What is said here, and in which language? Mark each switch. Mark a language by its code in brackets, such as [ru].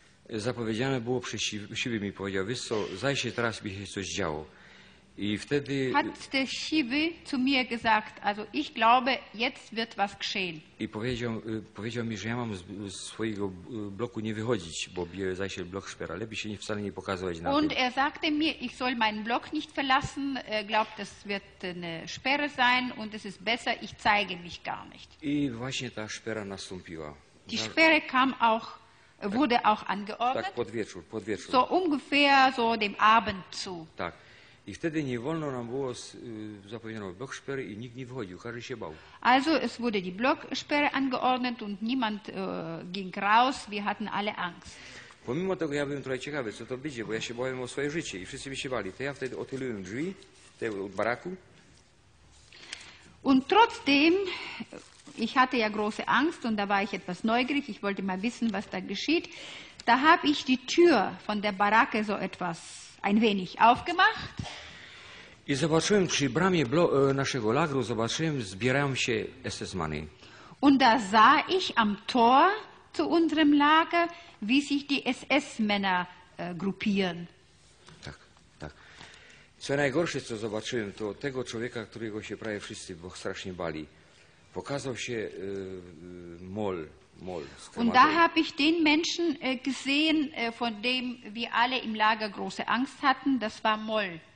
[pl] Zapowiedziane było przez siwy, mi powiedział, wiesz co, zaj się teraz, by się coś działo. I wtedy... [de] Hat der Siwy zu mir gesagt, also ich glaube, jetzt wird was geschehen. [pl] I powiedział mi, że ja mam z swojego bloku nie wychodzić, bo zaj się blok szpera, lepiej się wcale nie pokazywać na tym. [de] Und er sagte mir, ich soll meinen Block nicht verlassen, glaubt, es wird eine Sperre sein und es ist besser, ich zeige mich gar nicht. [pl] I właśnie ta szpera nastąpiła. [de] Die Sperre kam auch... wurde tak, auch angeordnet, [pl] tak, pod wieczór. [de] So ungefähr so dem Abend zu. [pl] Tak. I wtedy nie wolno nam było, zapowiedziano Blocksperre i nikt nie wychodził, każdy się bał. [de] Also es wurde die Blocksperre angeordnet und niemand ging raus, wir hatten alle Angst. [pl] Pomimo tego ja byłem trochę ciekawy, co to będzie, bo ja się bałem o swoje życie i wszyscy mi się bali. To ja wtedy otyliłem drzwi tego baraku. [de] Und trotzdem... Ich hatte ja große Angst und da war ich etwas neugierig. Ich wollte mal wissen, was da geschieht. Da habe ich die Tür von der Baracke so etwas ein wenig aufgemacht. [pl] I zobaczyłem przy bramie naszego lagru, zobaczyłem, zbierają się SS-many. [de] Und da sah ich am Tor zu unserem Lager, wie sich die SS-Männer gruppieren. [pl] Tak, tak. Co najgorsze, co zobaczyłem, to tego człowieka, którego się prawie wszyscy bo strasznie bali. Pokazał się Moll. [de] Und da habe ich den Menschen gesehen, von dem wir alle im Lager große Angst hatten, das war Moll.